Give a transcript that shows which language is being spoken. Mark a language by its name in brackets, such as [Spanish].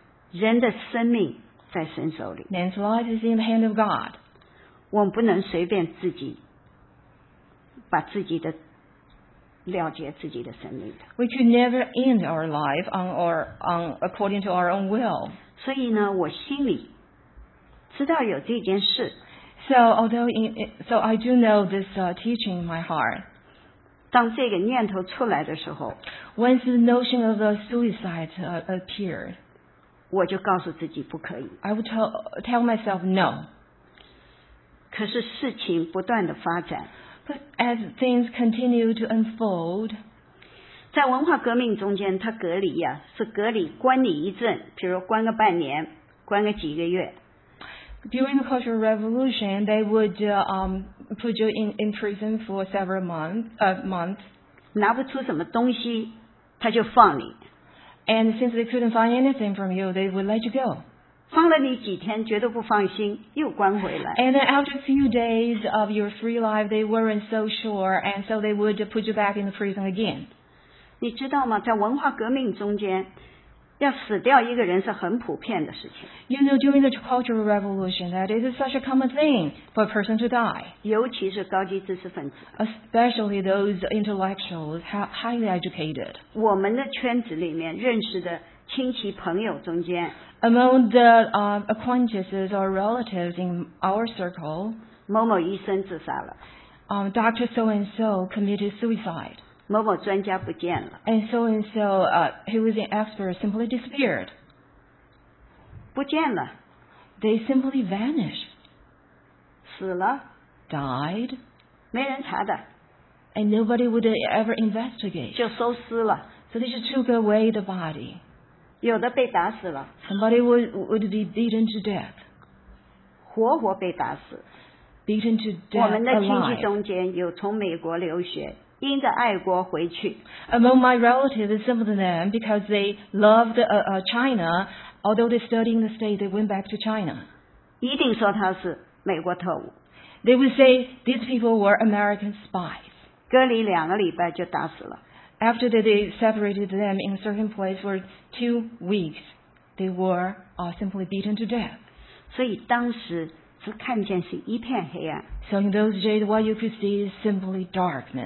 [Chinese] 人的生命在神手里。 [English] Man's life is in the hand of God. [Chinese] 我们不能随便自己把自己的了解自己的生命的。 [English] We could never end our life according to our own will. [Chinese] 所以呢，我心里知道有这件事。 [English] So I do know this teaching in my heart. [Chinese] 当这个念头出来的时候 [English] ，Once the notion of the suicide appeared, [Chinese] 我就告诉自己不可以。 [English] I would tell myself no. [Chinese] 可是事情不断的发展。 [English] But as things continue to unfold, [Chinese] 在文化革命中间，他隔离呀、啊，是隔离，关你一阵，比如关个半年，关个几个月。 [English] During the Cultural Revolution, they would put you in prison for several months. [Chinese] 拿不出什么东西，他就放你。 [English] And since they couldn't find anything from you, they would let you go. [Chinese] 放了你几天觉得不放心又关回来 [English] and then after a few days of your free life they weren't so sure and so they would put you back in the prison again [Chinese] 你知道吗在文化革命中间要死掉一个人是很普遍的事情 [English] you know during the Cultural Revolution that it is such a common thing for a person to die [Chinese] 尤其是高级知识分子 [English] especially those intellectuals highly educated [Chinese] 我们的圈子里面认识的亲戚朋友中间 [English] Among the acquaintances or relatives in our circle [Chinese] 某某医生自杀了、 [English] Dr. So-and-so committed suicide [Chinese] 某某专家不见了 [English] And so-and-so, he was an expert, simply disappeared [Chinese] 不见了 [English] They simply vanished [Chinese] 死了 [English] Died [Chinese] 没人查的 [English] And nobody would ever investigate [Chinese] 就收尸了 [English] So they just took away the body [Chinese] 有的被打死了 [English] Somebody would be beaten to death [Chinese] 活活被打死 [English] Beaten to death [Chinese] 我们的亲戚中间有从美国留学因着爱国回去 [English] Among my relatives, some of them because they loved China although they studied in the state they went back to China [Chinese] 一定说他是美国特务 [English] They would say these people were American spies [Chinese] 隔离两个礼拜就打死了 [English] After they separated them in a certain place for 2 weeks, they were simply beaten to death. [Chinese] 所以当时只看见是一片黑暗。 [English] So in those days, what you could see is simply darkness.